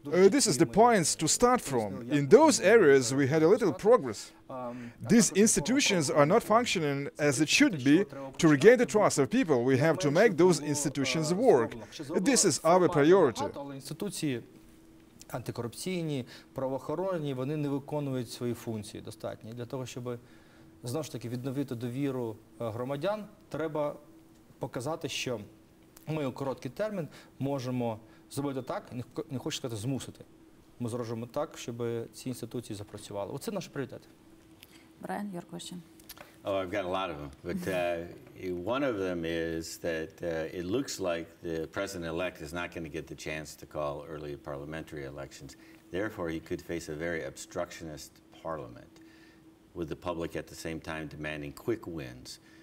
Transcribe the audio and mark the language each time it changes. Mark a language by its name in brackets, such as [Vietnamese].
[English] This is the points to start from. In those areas, we had a little progress. These institutions are not functioning as it should be. To regain the trust of people, we have to make those institutions work. This is our priority. [Ukrainian] Антикорупційні, правоохоронні, вони не виконують свої функції достатньо. Для того, щоб, знову ж таки, відновити довіру громадян, треба показати, що ми у короткий термін можемо зробити так, не хочу сказати змусити. Ми зробимо так, щоб ці інституції запрацювали. Оце наш пріоритет. [English] Brian, your question. Oh, I've got a lot of them, but one of them is that it looks like the president-elect is not going to get the chance to call early parliamentary elections. Therefore, he could face a very obstructionist parliament with the public at the same time demanding quick wins.